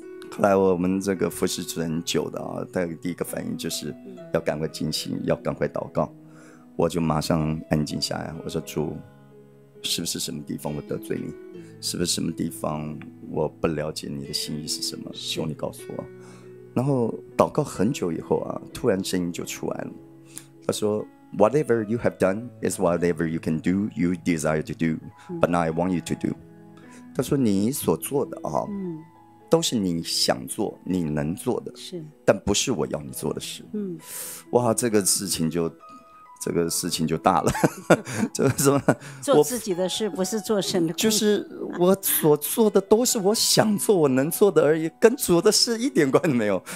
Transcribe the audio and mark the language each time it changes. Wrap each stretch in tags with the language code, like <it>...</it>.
<zh>后来我们这个服侍主很久的啊，他第一个反应就是要赶快进行，要赶快祷告。我就马上安静下来，我说主，是不是什么地方我得罪你？是不是什么地方我不了解你的心意是什么？求你告诉我。然后祷告很久以后啊，突然声音就出来了。他说</zh> <en>：“Whatever you have done is whatever you can do, you desire to do, but not I want you to do。”</en> <zh>他说：“你所做的啊，都是你想做、你能做的，是，但不是我要你做的事。” 嗯，哇，这个事情就大了，就是做自己的事，不是做神的。就是我所做的都是我想做、我能做的而已，跟主的事一点关系没有。</zh>